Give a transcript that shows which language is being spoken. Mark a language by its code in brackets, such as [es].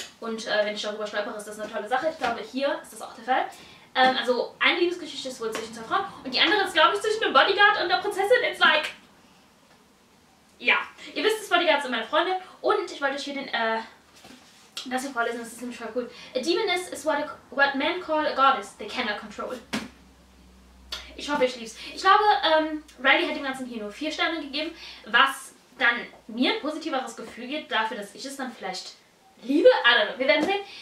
[de] Und wenn ich darüber stolpere, ist das eine tolle Sache. Ich glaube, hier ist das auch der Fall. Also eine Liebesgeschichte ist wohl zwischen zwei Frauen und die andere ist, glaube ich, zwischen dem Bodyguard und der Prinzessin. [en] It's like... [de] Ja, ihr wisst, das Bodyguard sind meine Freunde und ich wollte euch hier den... das hier vorlesen, das ist nämlich voll cool. [en] A demoness is what men call a goddess they cannot control. [de] Ich hoffe, ich lieb's. Ich glaube, Riley hat dem Ganzen hier nur 4 Sterne gegeben, was dann mir ein positiveres Gefühl gibt, dafür, dass ich es dann vielleicht liebe. [en] I don't know, [de] wir werden sehen.